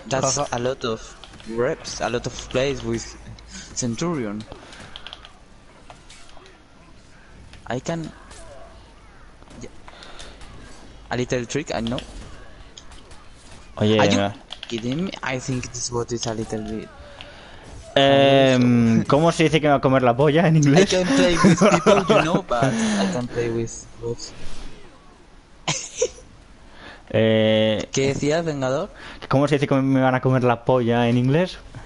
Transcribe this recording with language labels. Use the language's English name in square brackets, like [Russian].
[English] That's a lot of reps, a lot of plays with Centurion. I can. Yeah. A little trick, I know. [Spanish] Oye, [English] are you kidding me? I think this bot is a little bit. [Spanish] ¿Cómo se dice que me va a comer la polla en inglés? [English] I can play with people, you know, but I can't play with bots. [Spanish] ¿Qué decías, Vengador? ¿Cómo se dice que me van a comer la polla en inglés?